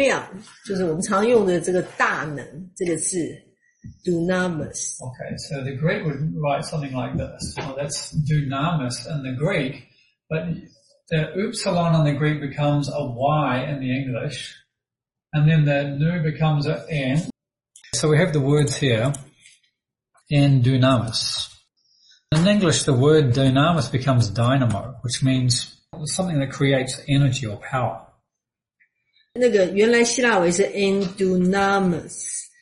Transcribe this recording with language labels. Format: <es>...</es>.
<zh>这个字，这个能量，就是我们常用的这个大能，这个字 dunamis.</zh> <en>Okay, so the Greek would write something like this. Well, that's dunamis in the Greek, but the upsilon in the Greek becomes a Y in the English, and then the nu becomes a N. So we have the words here, en dunamis. In English, the word dunamis becomes dynamo, which means something that creates energy or power.</en> <zh>那个原来希腊文是 en dunamis.</zh>